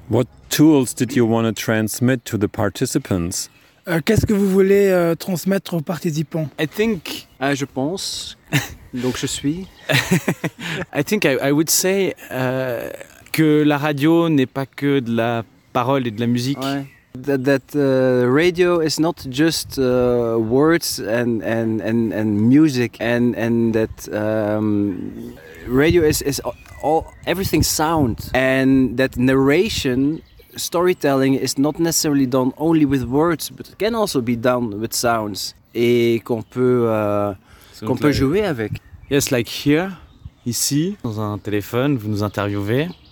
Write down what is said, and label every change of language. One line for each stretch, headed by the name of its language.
English: What tools did you want to transmit to the participants?
French: Qu'est-ce que vous voulez transmettre aux participants? I think, je pense, donc je suis. I think I would say que la radio n'est pas que de la parole et de la musique. Ouais.
English: That radio is not just words and music and that radio is all everything sound and that narration storytelling is not necessarily done only with words but it can also be done with sounds et qu'on peut jouer avec. Yes, like here, ici, dans un téléphone, vous nous interviewez.